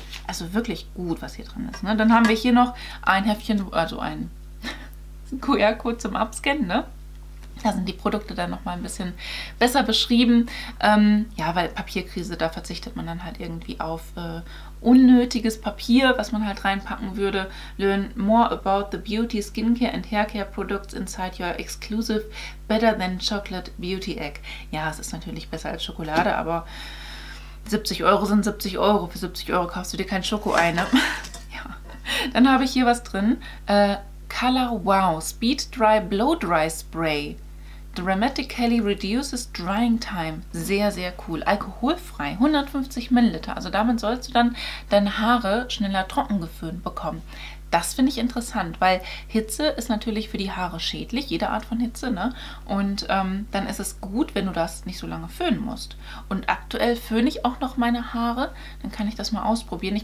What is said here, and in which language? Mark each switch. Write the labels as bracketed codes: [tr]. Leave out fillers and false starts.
[de] Also wirklich gut, was hier drin ist. Ne? Dann haben wir hier noch ein Heftchen, also ein QR-Code zum Abscannen. Ne? Da sind die Produkte dann nochmal ein bisschen besser beschrieben. Ja, weil Papierkrise, da verzichtet man dann halt irgendwie auf unnötiges Papier, was man halt reinpacken würde. [en] Learn more about the beauty, skincare and haircare products inside your exclusive Better Than Chocolate Beauty Egg. [de] Ja, es ist natürlich besser als Schokolade, aber 70 Euro sind 70 Euro. Für 70 Euro kaufst du dir kein Schoko ein, ne? Ja. Dann habe ich hier was drin. [en] Color Wow Speed Dry Blow Dry Spray. Dramatically reduces drying time. [de] Sehr, sehr cool. Alkoholfrei. 150 Milliliter. Also damit sollst du dann deine Haare schneller trocken geföhnt bekommen. Das finde ich interessant, weil Hitze ist natürlich für die Haare schädlich, jede Art von Hitze, ne? Und dann ist es gut, wenn du das nicht so lange föhnen musst. Und aktuell föhne ich auch noch meine Haare, dann kann ich das mal ausprobieren.